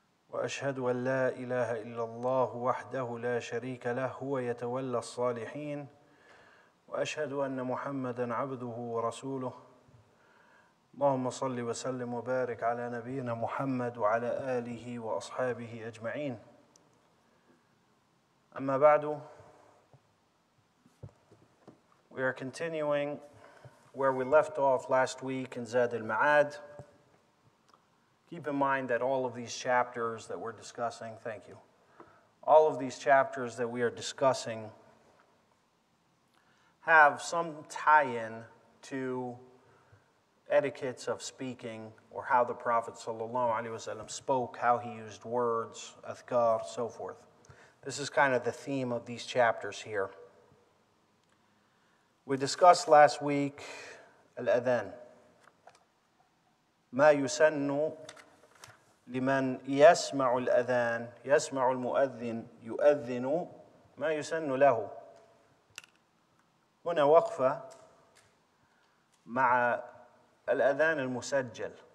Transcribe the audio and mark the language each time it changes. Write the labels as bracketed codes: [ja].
[ar] وأشهد أن لا إله إلا الله وحده لا شريك له هو يتولى الصالحين وأشهد أن محمدًا عبده ورسوله اللهم صل وسلم وبارك على نبينا محمد وعلى آله وأصحابه أجمعين أما بعد [en] We are continuing where we left off last week in Zadul-Ma’ad. Keep in mind that all of these chapters that we're discussing, thank you, all of these chapters that we are discussing have some tie-in to etiquettes of speaking or how the Prophet ﷺ spoke, how he used words, adhkar, so forth. This is kind of the theme of these chapters here. We discussed last week al-adhan. [ar] ما يسن لمن يسمع الأذان يسمع المؤذن يؤذن ما يسن له. هنا وقفة مع الأذان المسجل.